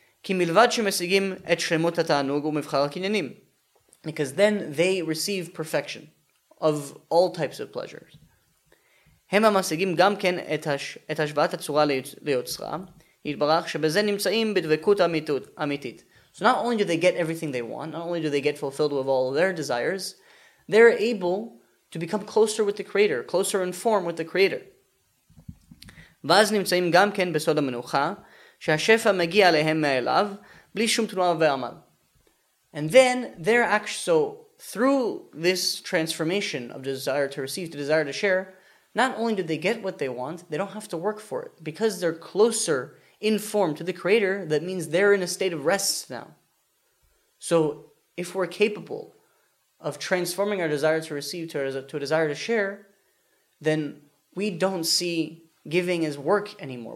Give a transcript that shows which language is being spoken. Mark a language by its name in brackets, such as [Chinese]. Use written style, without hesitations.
[Hebrew] כי מלבד שמשיגים את שלמות התענוג ומבחר הקניינים. [English] Because then they receive perfection of all types of pleasures. [Hebrew] הם המשיגים גם כן את השוואת הצורה ליוצרה, יתברך שבזה נמצאים בדבקות אמיתית. [English] So not only do they get everything they want, not only do they get fulfilled with all their desires, they're able to become closer with the Creator, closer in form with the Creator. [Hebrew] ואז נמצאים גם כן בסוד המנוחה, שהשפע מגיע להם מאליו, בלי שום תנועה ועמל. [English] And then, they're actually, so through this transformation of desire to receive, the desire to share, not only do they get what they want, they don't have to work for it. Because they're closer in form to the Creator, that means they're in a state of rest now. So, if we're capable of transforming our desire to receive to a desire to share, then we don't see giving as work anymore.